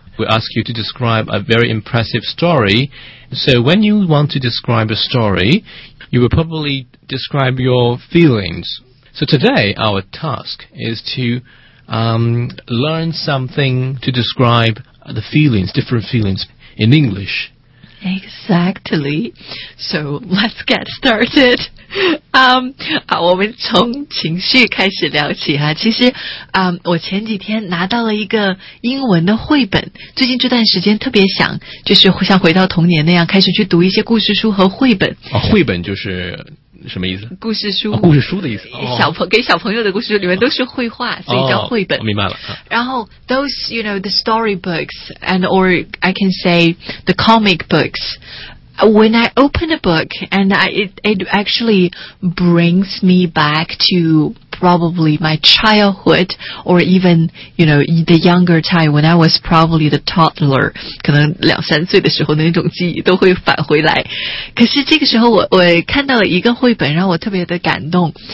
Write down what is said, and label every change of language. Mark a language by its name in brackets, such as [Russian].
[English] We ask you to describe a very impressive story. So when you want to describe a story, you will probably describe your feelings. So today, our task is to learn something to describe the feelings, different feelings in English. Exactly. So let's get started. [Chinese] 我们从情绪开始聊起哈。其实，我前几天拿到了一个英文的绘本。最近这段时间特别想，就是像回到童年那样，开始去读一些故事书和绘本。啊，绘本就是什么意思？故事书，故事书的意思。给小朋友的故事书里面都是绘画，所以叫绘本。哦，明白了。 [English] 然后 ，those you know the storybooks and or I can say the comic books. When I open a book, and it actually brings me back to probably my childhood, or even, you know, the younger time when I was probably the toddler. [Chinese] 可能两三岁的时候那种记忆都会返回来。可是这个时候我看到了一个绘本让我特别的感动。